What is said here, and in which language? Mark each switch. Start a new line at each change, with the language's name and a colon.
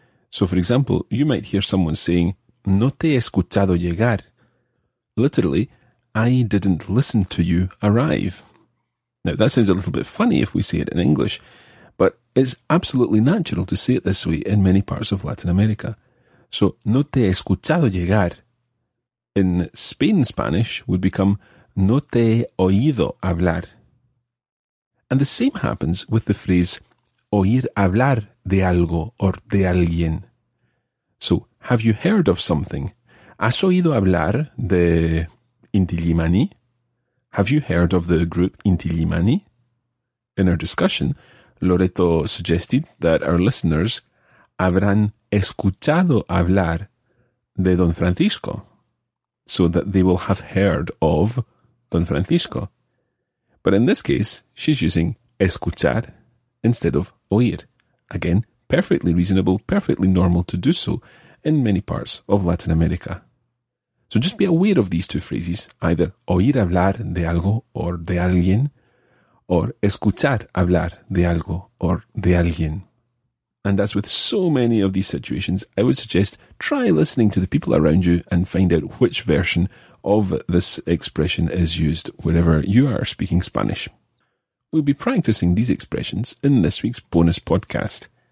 English: So, for example, you might hear someone saying,
Spanish: no te he escuchado llegar.
English: Literally, I didn't listen to you arrive. Now, that sounds a little bit funny if we say it in English, but it's absolutely natural to say it this way in many parts of Latin America. So,
Spanish: no te he escuchado llegar.
English: In Spain, Spanish would become,
Spanish: no te he oído hablar.
English: And the same happens with the phrase,
Spanish: oír hablar de algo
English: or de alguien. So, have you heard of something?
Spanish: ¿Has oído hablar de Intilimani?
English: Have you heard of the group Intilimani? In our discussion, Loreto suggested that our listeners
Spanish: habrán escuchado hablar de Don Francisco,
English: so that they will have heard of Don Francisco. But in this case, she's using escuchar instead of oír. Again, perfectly reasonable, perfectly normal to do so in many parts of Latin America. So just be aware of these two phrases, either
Spanish: oír hablar de algo
English: or de alguien, or
Spanish: escuchar hablar de algo
English: or de alguien. And as with so many of these situations, I would suggest try listening to the people around you and find out which version of this expression is used wherever you are speaking Spanish. We'll be practicing these expressions in this week's bonus podcast.